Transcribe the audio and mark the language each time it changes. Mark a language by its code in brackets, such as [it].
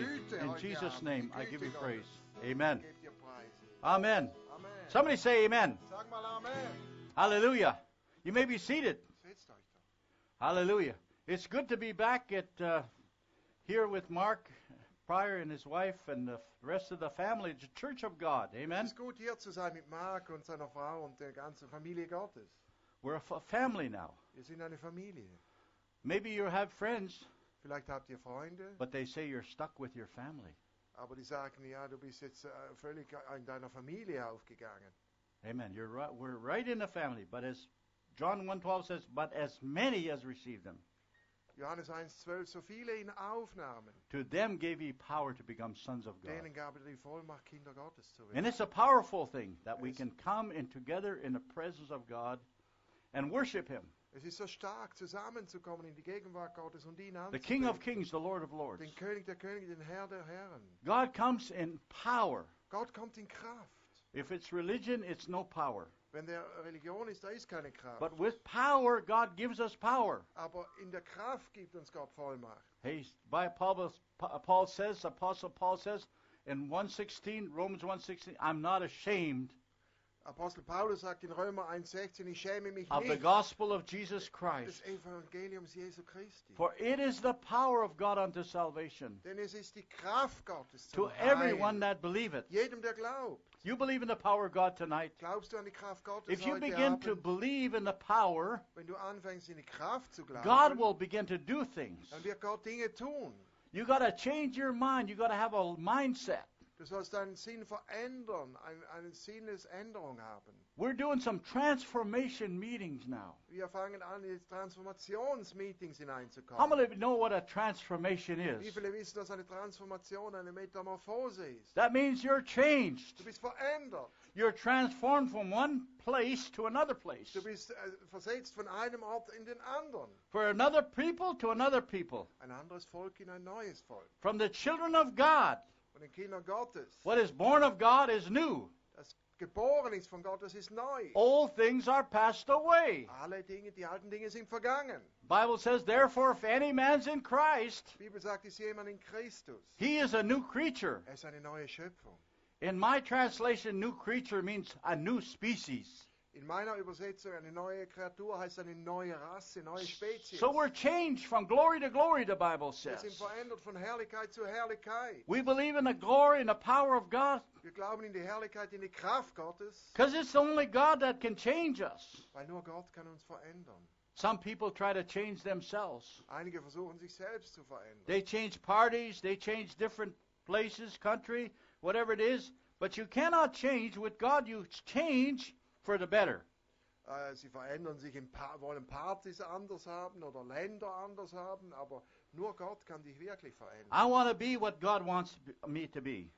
[en] In Jesus' name, I give you praise. Amen. Amen. Amen. Somebody say amen. [de] Sag mal amen. [en] Hallelujah. You may be seated. Hallelujah. It's good to be back at here with Mark Pryor and his wife and the rest of the family. It's a church of God. Amen. [de] Es ist gut hier zu sein mit Mark und seiner Frau und der ganzen Familie Gottes. [en] We're a family now. [de] Wir sind eine Familie. [en] Maybe you have friends. [de] Vielleicht habt ihr Freunde. [en] But they say you're stuck with your family. [de] Aber die sagen, ja, du bist jetzt völlig in deiner Familie aufgegangen. [en] Amen. You're right. We're right in the family. But as John 1:12 says, but as many as received him. [de] Johannes 1:12, so viele ihn aufnahmen. [en] To them gave he power to become sons of God. [de] Denen gab er die Vollmacht, Kinder Gottes zu werden. [en] And it's a powerful thing that we can come in together in the presence of God and worship him. [de] Es ist so stark, zusammenzukommen in die Gegenwart Gottes und ihn anzubeten. [en] The King of Kings, the Lord of Lords. [de] Den König der Könige, den Herr der Herren. [en] God comes in power. [de] Gott kommt in Kraft. [en] If it's religion, it's no power. [de] Wenn der Religion ist, da ist keine Kraft. [en] But with power, God gives us power. [de] Aber in der Kraft gibt uns Gott Vollmacht. [en] Apostle Paul says in 1:16, Romans 1:16, I'm not ashamed. [de] Apostel Paulus sagt in Römer 1:16, ich schäme mich nicht. [en] Of the gospel of Jesus Christ. [de] Des Evangeliums Jesu Christi. [en] For it is the power of God unto salvation. [de] Denn es ist die Kraft Gottes [en] to everyone that believeth. [de] Jedem, der glaubt. [en] You believe in the power of God tonight. [de] Glaubst du an die Kraft Gottes? [en] If you begin [de] heute Abend, [en] to believe in the power, [de] wenn du anfängst in die Kraft zu glauben, [en] God will begin to do things. [de] Dann wird Gott Dinge tun. [en] You got to change your mind. You got to have a mindset. [de] Du sollst deinen Sinn verändern, einen Sinnesänderung haben. [en] We're doing some transformation meetings now. [de] Wir fangen an, in Transformationsmeetings hineinzukommen. [en] How many know what a transformation is? [de] Wie viele wissen, dass eine Transformation eine Metamorphose ist? [en] That means you're changed. [de] Du bist verändert. [en] You're transformed from one place to another place. [de] Du bist versetzt von einem Ort in den anderen. [en] For another people to another people. [de] Ein anderes Volk in ein neues Volk. [en] From the children of God. What is born of God is new. [de] Das geboren ist von Gott, das ist neu. [en] All things are passed away. [de] Alle Dinge, die alten Dinge sind vergangen. [en] Bible says, therefore, if any man's in Christ, [de] Bibel sagt, ist jemand in Christus, [en] he is a new creature. [de] Er ist eine neue Schöpfung. [en] In my translation, new creature means a new species. [de] In meiner Übersetzung, eine neue Kreatur heißt eine neue Rasse, neue Spezies. [en] So we're changed from glory to glory, the Bible says. [de] Wir sind verändert von Herrlichkeit zu Herrlichkeit. [en] We believe in the glory and the power of God. [de] Wir glauben in die Herrlichkeit, in die Kraft Gottes. [en] Because it's only God that can change us. [de] Weil nur Gott kann uns verändern. [en] Some people try to change themselves. [de] Einige versuchen, sich selbst zu verändern. [en] They change parties, they change different places, country, whatever it is. But you cannot change with God, you change for the better. [de] Sie verändern sich in wollen Partys anders haben oder Länder anders haben, aber nur Gott kann dich wirklich verändern. [en] I want to be what God wants me to be.